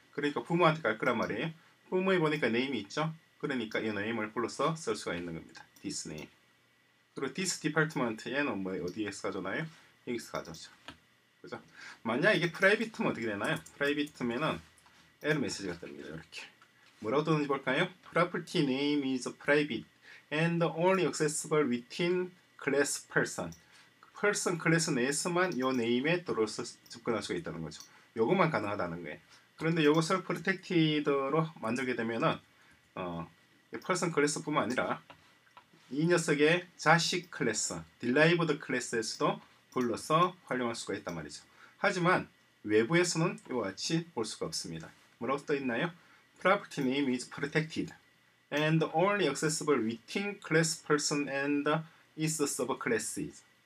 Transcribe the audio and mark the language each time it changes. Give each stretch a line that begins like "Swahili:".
Korean: 그러니까 부모한테 갈 거란 말이에요. 부모에 보니까 네임이 있죠. 그러니까 이 네임을 불러서 쓸 수가 있는 겁니다. this name. 그리고 this department 얘는 뭐 어디에서 가져나요? 여기서 가져오죠. 그죠? 만약 이게 private면 어떻게 되나요? private면은 error 메시지가 뜹니다. 이렇게 뭐라고 뜨는지 볼까요?
English: property name is private and only accessible within class person.
Korean: person class 내에서만 요 name에 들어서 접근할 수가 있다는 거죠. 요것만 가능하다는 거예요. 그런데 요것을 protected로 만들게 되면은 person class뿐만 아니라 이 녀석의 자식 클래스, 딜라이브드 클래스에서도 불러서 활용할 수가 있단 말이죠. 하지만 외부에서는 이와 같이 볼 수가 없습니다. 뭐라고 써 있나요?
English: Property name is protected and only accessible within class person and its subclasses.